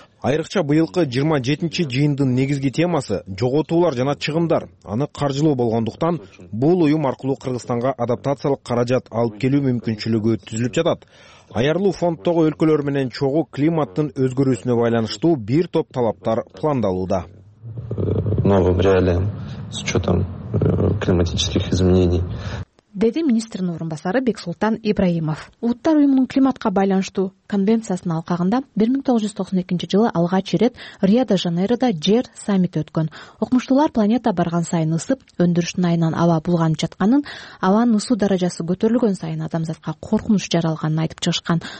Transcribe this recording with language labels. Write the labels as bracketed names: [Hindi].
[Kyrgyz] Айрыкча быйылкы 27-нчи жыйындын негизги темасы жоготуулар жана чыгымдар. Аны каржылоо болгондуктан бул уюм аркылуу Кыргызстанга адаптациялык каражат алып келүү мүмкүнчүлүгү түзүлүп жатат. Аярлуу фонддогу өлкөлөр менен чогуу климаттын өзгөрүүсүнө байланыштуу бир топ талаптар пландалууда. [Russian] Новым реалиям с учетом климатических изменений. [Kyrgyz] Деди министрдин орун басары Бексултан Ибраимов. Улуттар уюмунун климатка байланыштуу конвенциясынын алкагында 1992 жылы алгач ирет Рио-де-Жанейрода жер саммити өткөн. Окумуштуулар планета барган сайын ысып, өндүрүштүн айынан аба булганып жатканын, абанын ысуу даражасы көтөрүлгөн сайын адамзатка коркунуч жаралганын айтып чыгышкан.